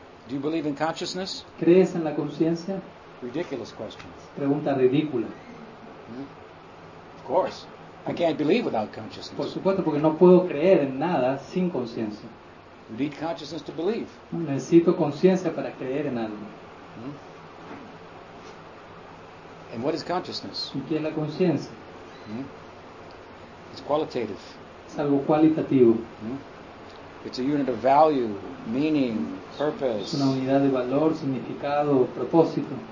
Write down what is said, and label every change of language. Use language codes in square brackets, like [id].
[en] Do you believe in consciousness? [es] ¿Crees en la conciencia? [en] Ridiculous question. [es] Pregunta ridícula. [en] Of course. I can't believe without consciousness. [es] Por supuesto, porque no puedo creer en nada sin conciencia. [en] You need consciousness to believe. [es] Necesito conciencia para creer en algo. [en] And what is consciousness? [es] ¿Y qué es la conciencia? [en] It's qualitative. [es] Es algo cualitativo. [en] It's a unit of value, meaning, purpose. [es] Una unidad de valor, significado, propósito.